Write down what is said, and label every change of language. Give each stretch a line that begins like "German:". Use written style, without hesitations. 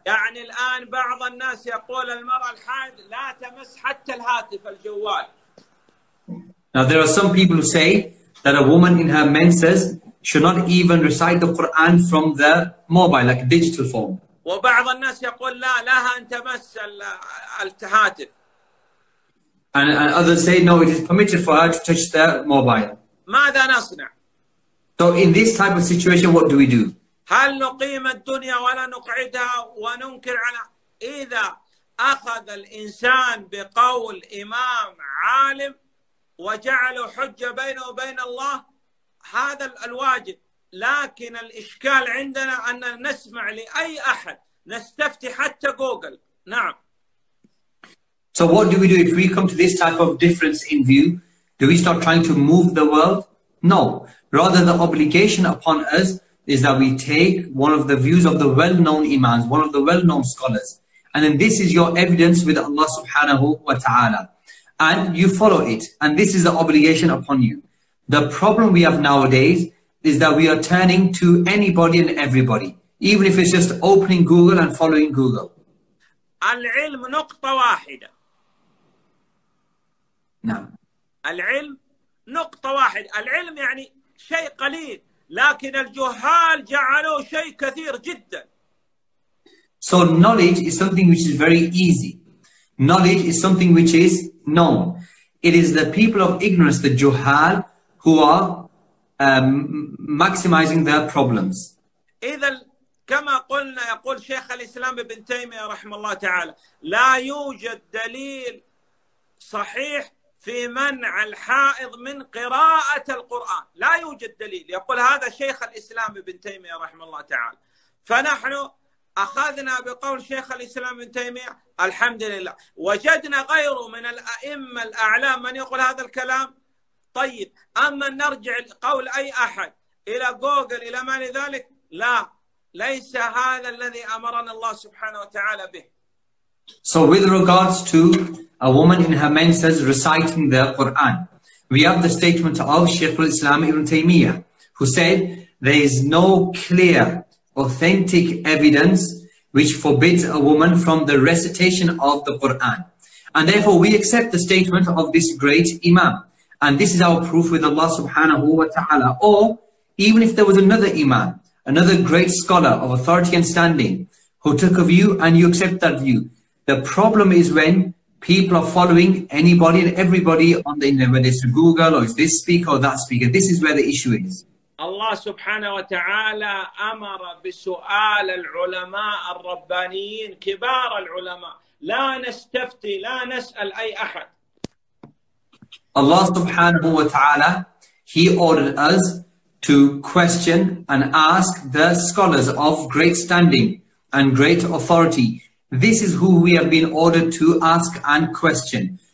Arabic: يعني الآن بعض الناس يقول المرأة الحائض لا تمس حتى الهاتف الجوال.
English: Now there are some people who say that a woman in her menses should not even recite the Quran from the mobile, like a digital phone.
Arabic: وبعض الناس يقول لا لها أن تمس الهاتف.
English: And others say, no, it is permitted for her to touch the mobile.
Arabic: ماذا نصنع?
English: So in this type of situation, what do we do?
Arabic: هل نقيم الدنيا ولا نقعدها وننكر على إذا أخذ الإنسان بقول إمام عالم وجعله حجة بينه وبين الله هذا الواجب لكن الإشكال عندنا أن نسمع لأي أحد نستفتي حتى جوجل نعم
English: So what do we do if we come to this type of difference in view? Do we start trying to move the world? No. Rather, the obligation upon us is that we take one of the views of the well-known imams, one of the well-known scholars. And then this is your evidence with Allah subhanahu wa ta'ala. And you follow it. And this is the obligation upon you. The problem we have nowadays is that we are turning to anybody and everybody, even if it's just opening Google and following Google.
Arabic: العلم نقطة واحدة. نعم. العلم نقطة واحدة. العلم يعني شيء قليل، لكن الجهال جعلوا شيء كثير جدا.
English: So knowledge is something which is very easy. Knowledge is something which is known. It is the people of ignorance, the جهال, who are maximizing their problems.
Arabic: إذا كما قلنا يقول شيخ الإسلام ابن تيمية رحمه الله تعالى لا يوجد دليل صحيح في منع الحائض من قراءة القرآن، لا يوجد دليل، يقول هذا شيخ الإسلام ابن تيمية رحمه الله تعالى. فنحن أخذنا بقول شيخ الإسلام ابن تيمية الحمد لله، وجدنا غيره من الأئمة الأعلام من يقول هذا الكلام. طيب، أما نرجع قول أي أحد إلى جوجل إلى ما لذلك، لا، ليس هذا الذي أمرنا الله سبحانه وتعالى به.
English: So with regards to a woman in her menses reciting the Quran, we have the statement of Shaykh al-Islam Ibn Taymiyyah, who said there is no clear authentic evidence which forbids a woman from the recitation of the Quran. And therefore we accept the statement of this great imam. And this is our proof with Allah subhanahu wa ta'ala. Or even if there was another imam, another great scholar of authority and standing who took a view and you accept that view. The problem is when people are following anybody and everybody on the internet, whether it's Google or is this speaker or that speaker. This is where the issue is. Allah subhanahu wa ta'ala
Arabic: أمر بسؤال العلماء الربانيين كبار العلماء. لا نستفتي لا نسأل أي أحد.
English: Allah subhanahu wa ta'ala, He ordered us to question and ask the scholars of great standing and great authority. This is who we have been ordered to ask and question.